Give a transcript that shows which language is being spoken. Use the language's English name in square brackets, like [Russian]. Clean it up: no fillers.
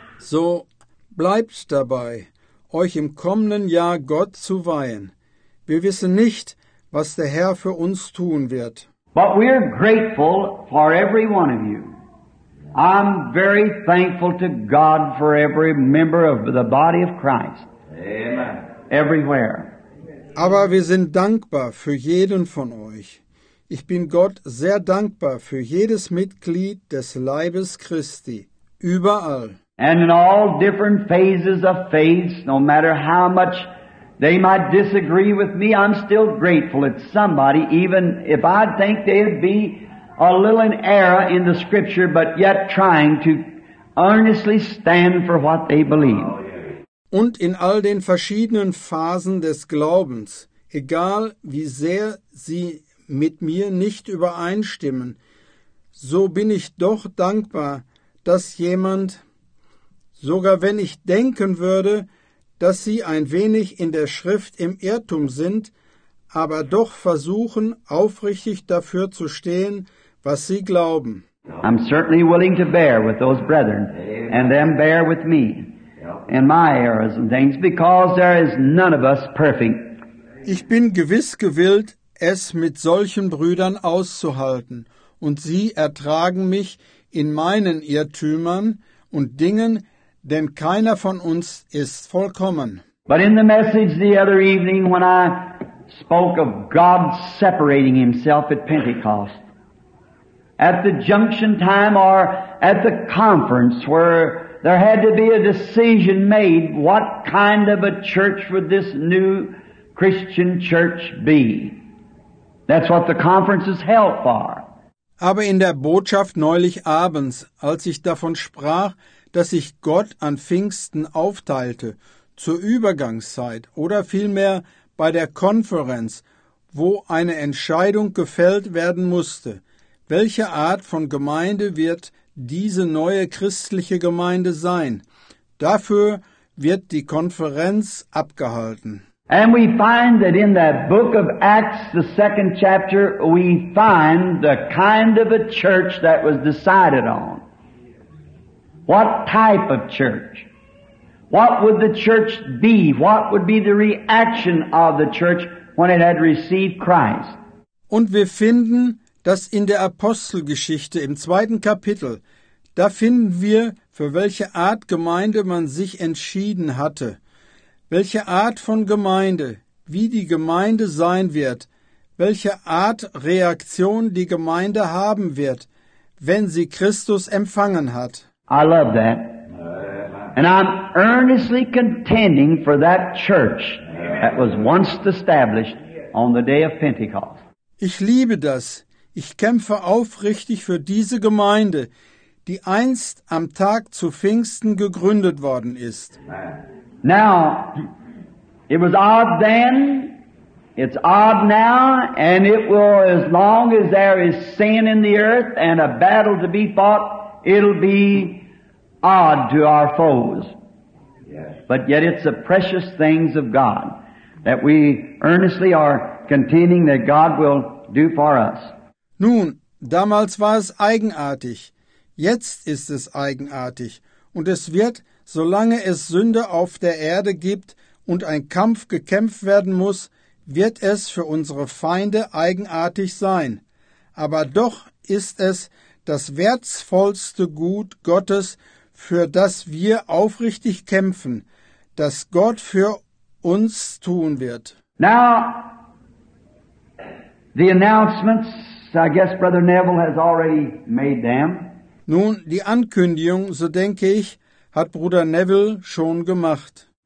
[German] So, bleibt dabei, euch im kommenden Jahr Gott zu weihen. Wir wissen nicht, was der Herr für uns tun wird. [English] But we are grateful for every one of you. I'm very thankful to God for every member of the body of Christ. Amen. Everywhere. [German] Aber wir sind dankbar für jeden von euch. Ich bin Gott sehr dankbar für jedes Mitglied des Leibes Christi. Überall. [English] And in all different phases of faith, no matter how much they might disagree with me, I'm still grateful that somebody, even if I think they'd be a little in error in the Scripture, but yet trying to earnestly stand for what they believe. [German] Und in all den verschiedenen Phasen des Glaubens, egal wie sehr sie mit mir nicht übereinstimmen, so bin ich doch dankbar, dass jemand, sogar wenn ich denken würde, dass sie ein wenig in der Schrift im Irrtum sind, aber doch versuchen, aufrichtig dafür zu stehen, was sie glauben. [English] I'm certainly willing to bear with those brethren and them bear with me in my errors and things, because there is none of us perfect. [German] Ich bin gewiss gewillt, es mit solchen Brüdern auszuhalten, und sie ertragen mich in meinen Irrtümern und Dingen, denn keiner von uns ist vollkommen. [English] But in the message the other evening, when I spoke of God separating himself at Pentecost, at the junction time or at the conference where there had to be a decision made, what kind of a church would this new Christian church be? That's what the conference is held for. [German] Aber in der Botschaft neulich abends, als ich davon sprach, dass sich Gott an Pfingsten aufteilte, zur Übergangszeit oder vielmehr bei der Konferenz, wo eine Entscheidung gefällt werden musste, welche Art von Gemeinde wird diese neue christliche Gemeinde sein? Dafür wird die Konferenz abgehalten. [English] And we find that in that book of Acts, the second chapter, we find the kind of a church that was decided on. What type of church? What would the church be? What would be the reaction of the church when it had received Christ? [German] Und wir finden, dass in der Apostelgeschichte im zweiten Kapitel, da finden wir, für welche Art Gemeinde man sich entschieden hatte. Welche Art von Gemeinde, wie die Gemeinde sein wird, welche Art Reaktion die Gemeinde haben wird, wenn sie Christus empfangen hat. [English] I love that. And I'm earnestly contending for that church that was once established on the day of Pentecost. [German] Ich liebe das. Ich kämpfe aufrichtig für diese Gemeinde, die einst am Tag zu Pfingsten gegründet worden ist. [English] Now, it was odd then, it's odd now, and it will, as long as there is sin in the earth and a battle to be fought, it'll be odd to our foes. But yet it's the precious things of God that we earnestly are contending that God will do for us. [German] Nun, damals war es eigenartig, jetzt ist es eigenartig, und es wird, solange es Sünde auf der Erde gibt und ein Kampf gekämpft werden muss, wird es für unsere Feinde eigenartig sein. Aber doch ist es das wertvollste Gut Gottes, für das wir aufrichtig kämpfen, das Gott für uns tun wird. [English] Now, the announcements, I guess Brother Neville has already made them. [German] Nun, die Ankündigung, so denke ich, hat Bruder Neville schon gemacht.